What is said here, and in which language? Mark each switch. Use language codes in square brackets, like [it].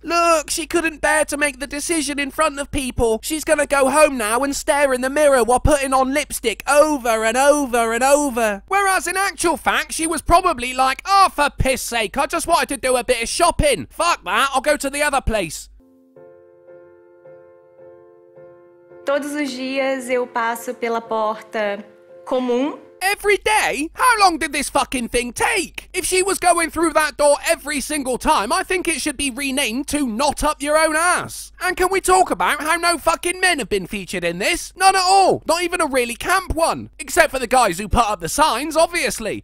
[en] Look, she couldn't bear to make the decision in front of people. She's gonna go home now and stare in the mirror while putting on lipstick over and over and over. Whereas in actual fact, she was probably like, oh, for piss sake, I just wanted to do a bit of shopping. Fuck that, I'll go to the other place. [pt] Todos os dias eu passo pela porta comum. [en] Every day? How long did this fucking thing take? If she was going through that door every single time, I think it should be renamed to Knot Up Your Own Ass. And can we talk about how no fucking men have been featured in this? None at all. Not even a really camp one. Except for the guys who put up the signs, obviously.